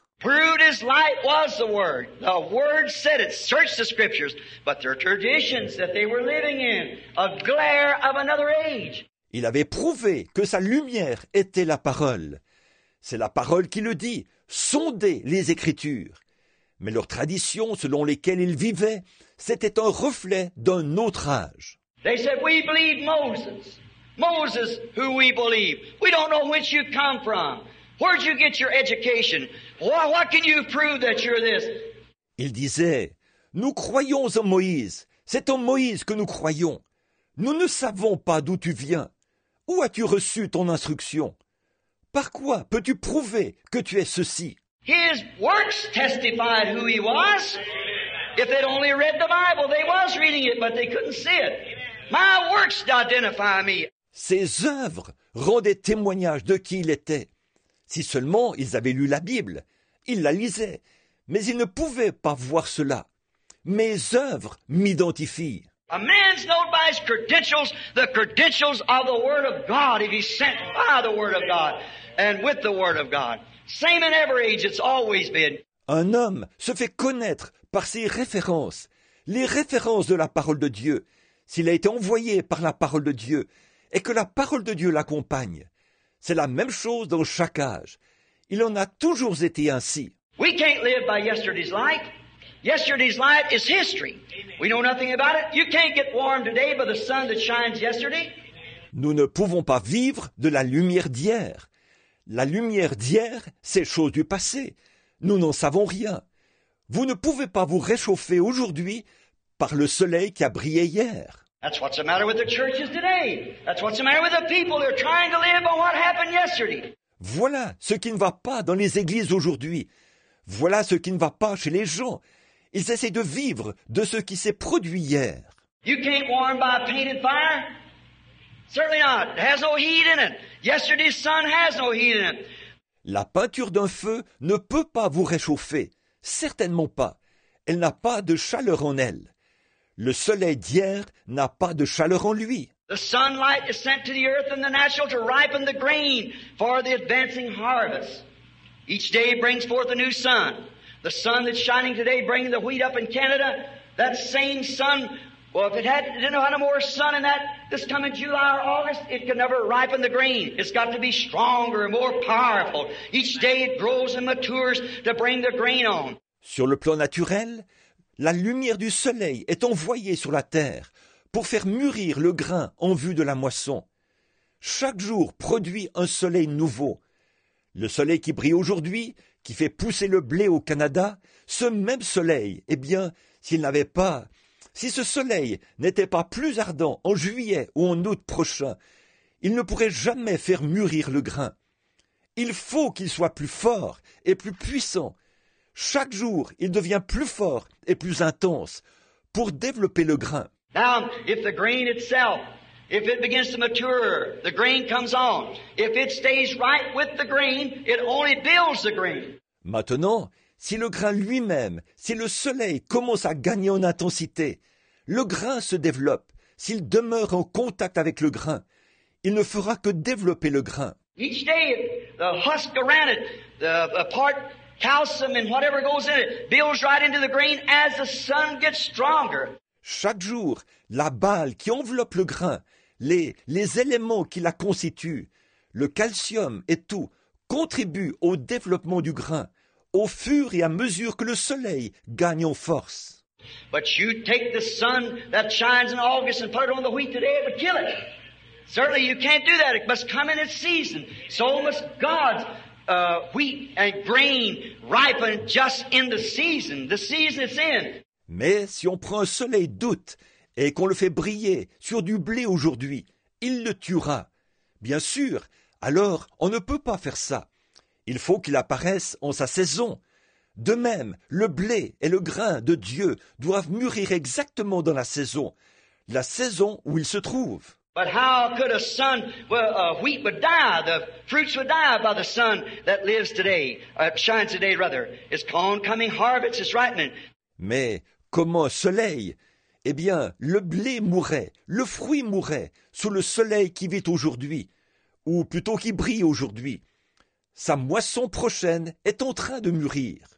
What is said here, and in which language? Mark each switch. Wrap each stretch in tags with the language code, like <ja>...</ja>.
<en>Proved his light was the Word. The Word said it. Search the Scriptures. But their traditions that they were living in, a glare of another age.</en> <fr>Il avait prouvé que sa lumière était la parole. C'est la parole qui le dit. Sondez les Écritures. Mais leurs traditions selon lesquelles ils vivaient, c'était un reflet d'un autre âge.</fr> <en>They said, we believe Moses. Moses, who we believe. We don't know which you come from. Where did you get your education? What can you prove that you're this?</en> <fr>Il disait, nous croyons en Moïse. C'est en Moïse que nous croyons. Nous ne savons pas d'où tu viens. Où as-tu reçu ton instruction? Par quoi peux-tu prouver que tu es ceci?</fr> <en>His works testified who he was. If they'd only read the Bible, they was reading it, but they couldn't see it. My works identify me.</en> <fr>Ses œuvres rendaient témoignage de qui il était. Si seulement ils avaient lu la Bible, ils la lisaient, mais ils ne pouvaient pas voir cela. Mes œuvres m'identifient.</fr> <en>A man's known by his credentials, the credentials of the Word of God, if he's sent by the Word of God and with the Word of God. Same in every age, it's always been.</en> <fr>Un homme se fait connaître par ses références, les références de la parole de Dieu, s'il a été envoyé par la parole de Dieu et que la parole de Dieu l'accompagne. C'est la même chose dans chaque âge. Il en a toujours été ainsi.</fr> <en>We can't live by yesterday's light. Yesterday's light is history. We know nothing about it. You can't get warm today by the sun that shines yesterday.</en> <fr>Nous ne pouvons pas vivre de la lumière d'hier. La lumière d'hier, c'est chose du passé. Nous n'en savons rien. Vous ne pouvez pas vous réchauffer aujourd'hui par le soleil qui a brillé hier.</fr> <en>That's what's the matter with the churches today. That's what's the matter with the people. They're trying to live on what happened yesterday.</en> <fr>Voilà ce qui ne va pas dans les églises aujourd'hui. Voilà ce qui ne va pas chez les gens. Ils essaient de vivre de ce qui s'est produit hier.</fr> <en>You can't warm by a painted fire. Certainly not. It has no heat in it. Yesterday's sun has no heat in it.</en> <fr>La peinture d'un feu ne peut pas vous réchauffer. Certainement pas. Elle n'a pas de chaleur en elle. Le soleil d'hier n'a pas de chaleur en lui.</fr> <en>The sunlight is sent to the earth and the natural to ripen the grain for the advancing harvest. Each day brings forth a new sun. The sun that's shining today bringing the wheat up in Canada, that same sun, well, if it didn't have more sun in that this coming July or August, it could never ripen the grain. It's got to be stronger and more powerful. Each day it grows and matures to bring the grain on.</en> <fr>Sur le plan naturel, la lumière du soleil est envoyée sur la terre pour faire mûrir le grain en vue de la moisson. Chaque jour produit un soleil nouveau. Le soleil qui brille aujourd'hui, qui fait pousser le blé au Canada, ce même soleil, eh bien, si ce soleil n'était pas plus ardent en juillet ou en août prochain, il ne pourrait jamais faire mûrir le grain. Il faut qu'il soit plus fort et plus puissant. Chaque jour, il devient plus fort et plus intense pour développer le grain.</fr> <en>Now, if the grain itself, if it begins to mature, the grain comes on. If it stays right with the grain, it only builds the grain.</en> <fr>Maintenant, si le grain lui-même, si le soleil commence à gagner en intensité, le grain se développe. S'il demeure en contact avec le grain, il ne fera que développer le grain.</fr> <en>Each day, the husk around it, the part calcium and whatever goes in it, builds right into the grain as the sun gets stronger.</en> <fr>Chaque jour, la balle qui enveloppe le grain, les éléments qui la constituent, le calcium et tout, contribuent au développement du grain, au fur et à mesure que le soleil gagne en force.</fr> <en>But you take the sun that shines in August and put it on the wheat today, it would kill it. Certainly you can't do that. It must come in its season. So must God's wheat and grain ripen just in the season it's in.</en> <fr>Mais si on prend un soleil d'août et qu'on le fait briller sur du blé aujourd'hui, il le tuera. Bien sûr, alors on ne peut pas faire ça. Il faut qu'il apparaisse en sa saison. De même, le blé et le grain de Dieu doivent mûrir exactement dans la saison où ils se trouvent.</fr> <en>But how could a sun, well, wheat would die, the fruits would die by the sun that lives today, shines today rather. It's corn coming, harvest is ripening.</en> <fr>Mais comment un soleil? Eh bien, le blé mourrait, le fruit mourrait sous le soleil qui vit aujourd'hui, ou plutôt qui brille aujourd'hui. Sa moisson prochaine est en train de mûrir.</fr>